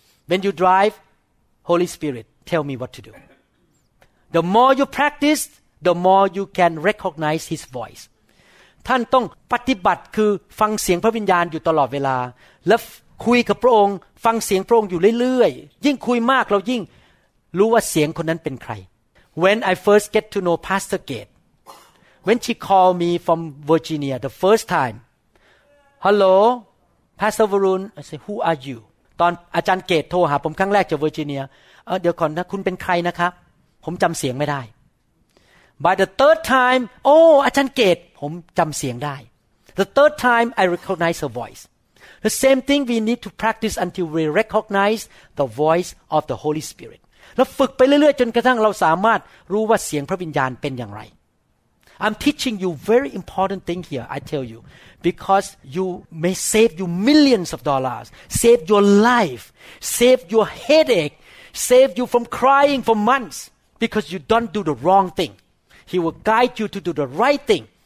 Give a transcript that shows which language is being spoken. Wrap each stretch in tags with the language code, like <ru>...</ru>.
<en>When you drive, Holy Spirit, tell me what to do. The more you practice, the more you can recognize His voice.</en> <th>ท่านต้องปฏิบัติคือฟังเสียงพระวิญญาณอยู่ตลอดเวลาและคุยกับพระองค์ฟังเสียงพระองค์อยู่เรื่อยๆยิ่งคุยมากเรายิ่งรู้ว่าเสียงคนนั้นเป็นใคร</th> <en>When I first get to know Pastor Gate, when she called me from Virginia the first time, Hello, Pastor Varun. I say, Who are you?</en> <th>ตอนอาจารย์เกตโทรหาผมครั้งแรกจากเวอร์จิเนียเดี๋ยวก่อนนะคุณเป็นใครนะครับผมจำเสียงไม่ได้</th> <en>By the third time, Oh,</en> <th>อาจารย์เกตผมจำเสียงได้</th> <en>The third time, I recognize her voice. The same thing we need to practice until we recognize the voice of the Holy Spirit.</en> <th>เราฝึกไปเรื่อยๆจนกระทั่งเราสามารถรู้ว่าเสียงพระวิญญาณเป็นอย่างไร</th> <en>I'm teaching you very important thing here I tell you because you may save you millions of dollars save your life save your headache save you from crying for months because you don't do the wrong thing He will guide you to do the right thing</en>